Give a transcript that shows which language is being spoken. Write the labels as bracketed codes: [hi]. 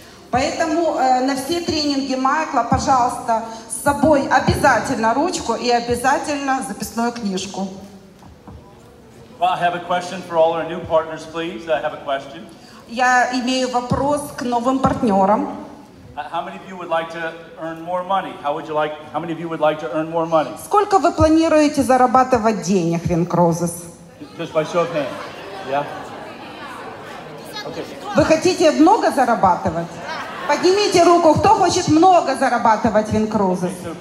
[ru] Поэтому на все тренинги Майкла, пожалуйста, с собой обязательно ручку и обязательно записную книжку. [en] Well, I have a question for all our new partners, please. I have a question. [ru] Я имею вопрос к новым партнерам. [en] How many of you would like to earn more money? How many of you would like to earn more money? [ru] Сколько вы планируете зарабатывать денег в Incruises? [en] Just by show of hands. Yeah. Okay. [ru] Вы хотите много зарабатывать? Поднимите руку, кто хочет много зарабатывать в Incruises?